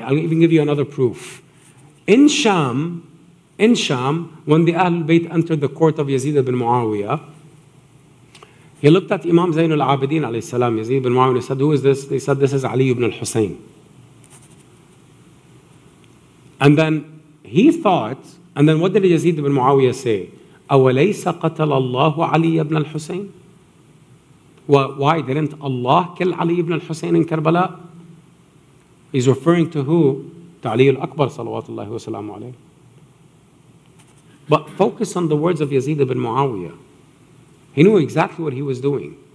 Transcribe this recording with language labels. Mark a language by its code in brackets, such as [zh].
[en] I'll even give you another proof. In Sham, when the Ahlul Bayt entered the court of Yazid ibn Muawiyah, he looked at Imam Zainul Abidin alayhi salam, Yazid ibn Muawiyah, and he said, who is this? They said, this is Ali ibn al-Husayn. And then he thought, and then what did Yazid ibn Muawiyah say? [ar] أَوَلَيْسَ قَتَلَ اللَّهُ عَلِيَّ ibn al-Husayn? [en] Why didn't Allah kill Ali ibn al-Husayn in Karbala? He's referring to who? To Ali al-Akbar, salawatullahi wa salamu alayhi. But focus on the words of Yazid ibn Muawiyah. He knew exactly what he was doing.